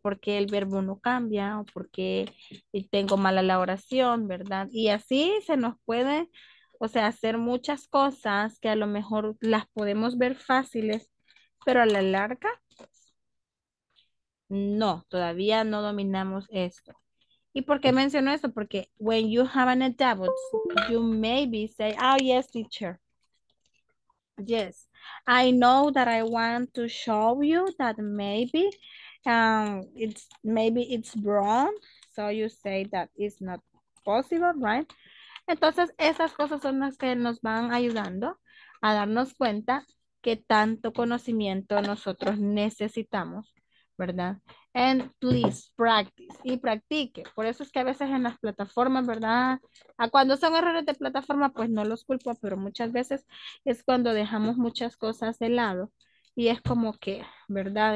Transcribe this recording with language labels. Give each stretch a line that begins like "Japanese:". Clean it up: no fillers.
Spanish: Porque el verbo no cambia, o porque tengo mala la oración, ¿verdad? Y así se nos puede, o sea, hacer muchas cosas que a lo mejor las podemos ver fáciles, pero a la larga, no, todavía no dominamos esto. ¿Y por qué menciono esto? Porque
English: when you have an adult, you maybe say, oh, yes, teacher. Yes, I know that I want to show you that maybe it's wrong. So you say that it's not possible, right?
Spanish: Entonces, esas cosas son las que nos van ayudando a darnos cuenta que tanto conocimiento nosotros necesitamos, ¿verdad?
English: And please practice
Spanish: y practique. Por eso es que a veces en las plataformas, ¿verdad? A cuando son errores de plataforma, pues no los culpo, pero muchas veces es cuando dejamos muchas cosas de lado y es como que, ¿verdad?